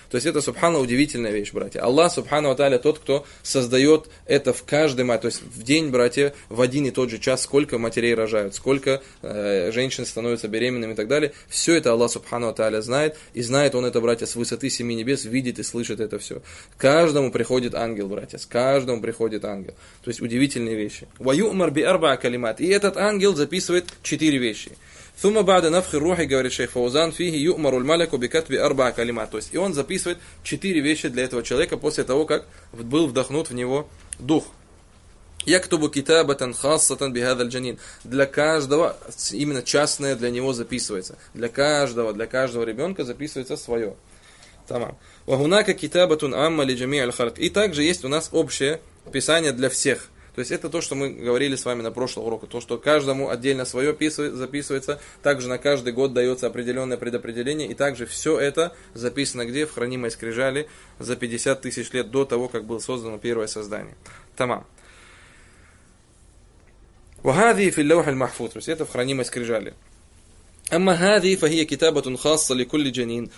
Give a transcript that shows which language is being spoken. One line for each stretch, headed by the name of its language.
Russian: То есть это, субхана, удивительная вещь, братья. Аллах, субхана ва тааля, тот, кто создает это в каждый момент. То есть в день, братья, в один и тот же час, сколько матерей рожают, сколько женщин становятся беременными и так далее. Все это Аллах, субхана ва тааля, знает. И знает он это, братья, с высоты семи небес, видит и слышит это все. Каждому приходит ангел, братья. С каждому приходит ангел. То есть удивительные вещи.
Arabic: وَيُؤْمَرْ بِأَرْبَعَ كَلِمَاتِ.
Russian: И этот ангел записывает четыре вещи.
Arabic: ثم بعد نفخ الروح
Russian: говорит шейх Фаузан
Arabic: فيه يؤمر الملك بكتب اربع كلمات.
Russian: То есть, и он записывает четыре вещи для этого человека после того, как был вдохнут в него дух.
Arabic: يكتب كتابة خاصة بهذا الجنين.
Russian: Для каждого именно частное для него записывается. Для каждого ребенка записывается свое. Тамам.
Arabic: وهناك كتابة عامة لجميع الخلق.
Russian: И также есть у нас общее писание для всех. То есть это то, что мы говорили с вами на прошлом уроке, то, что каждому отдельно свое записывается, также на каждый год дается определенное предопределение, и также все это записано где? В хранимой скрижали за 50 тысяч лет до того, как было создано первое создание. Тамам.
Arabic: وَهَذِي فِي اللَّوْحِ الْمَحْفُوظِ.
Russian: То есть это в хранимой скрижали.
Arabic: أما هذه فهي كتابة خاصة لكل جنين.